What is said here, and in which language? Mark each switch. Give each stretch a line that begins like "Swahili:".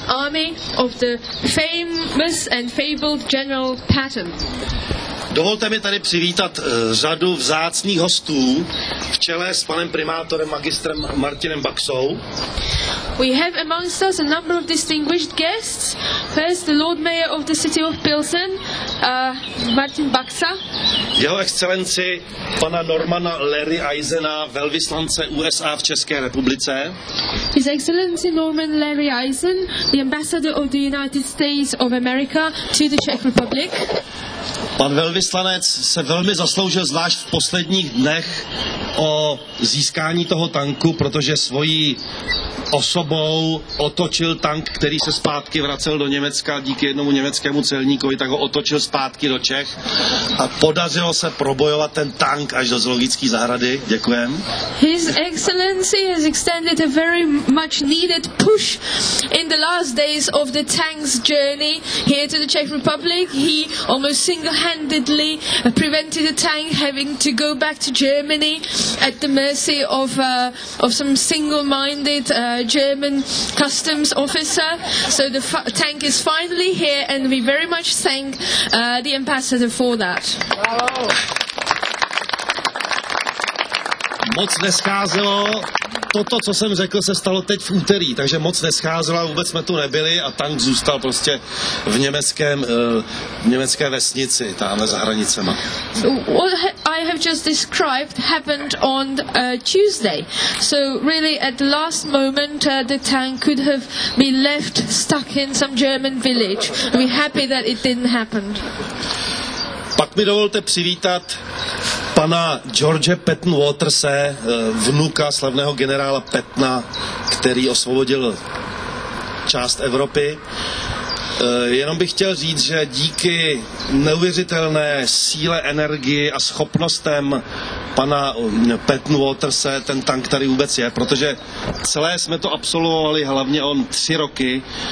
English: Army of the famous and fabled General Patton.
Czech: Dovolte mi tady přivítat řadu vzácných hostů v čele s panem primátorem magistrem Martinem Baxou.
English: We have amongst us a number of distinguished guests. First, the Lord Mayor of the city of Pilsen, Martin Baxa.
Czech: Jeho excelenci pana Normana Larry Eisena, velvyslance USA v České republice.
English: His Excellency Norman Larry Eisen, the Ambassador of the United States of America to the Czech Republic.
Czech: Pan velvyslanec se velmi zasloužil, zvlášť v posledních dnech, o získání toho tanku, protože svojí osobou otočil tank, který se zpátky vracel do Německa díky jednomu německému celníkovi, tak ho otočil zpátky do Čech a podařilo se probojovat ten tank až do zoologické zahrady. Děkujem.
English: His Excellency has extended a very much needed push in the last days of the tank's journey here to the Czech Republic. He almost single-handedly prevented the tank having to go back to Germany at the mercy of some single-minded German customs officer. So the tank is finally here, and we very much thank the ambassador for that.
Czech: Moc nescházelo. Toto, co jsem řekl, se stalo teď v úterý, takže moc nescházelo, vůbec jsme tu nebyli a tank zůstal prostě v německé vesnici, tamhle za hranicema.
English: What I have just described happened on Tuesday. So really at the last moment the tank could have been left stuck in some German village. We're happy that it didn't happen.
Czech: Pak mi dovolte přivítat pana George Patton Waterse, vnuka slavného generála Pattona, který osvobodil část Evropy. Jenom bych chtěl říct, že díky neuvěřitelné síle, energii a schopnostem pana Patton Waterse ten tank tady vůbec je, protože celé jsme to absolvovali, hlavně on 3 roky.